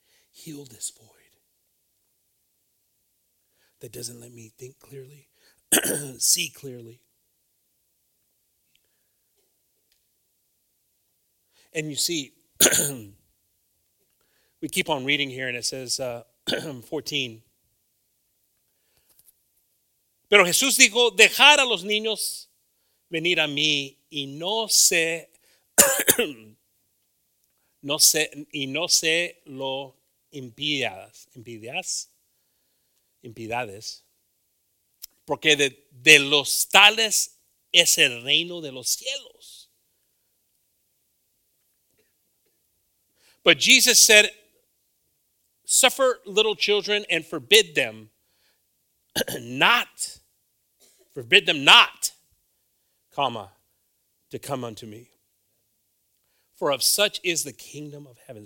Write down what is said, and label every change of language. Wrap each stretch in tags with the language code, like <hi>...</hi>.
<en>Heal this void that doesn't let me think clearly, see clearly. And you see, we keep on reading here, and it says, 14.</en> <es>Pero Jesús dijo, dejar a los niños venir a mí y no se, no se, y no se lo impidas, impidades, porque de los tales es el reino de los cielos.</es> <en>But Jesus said, suffer little children and forbid them not comma to come unto me, for of such is the kingdom of heaven.</en>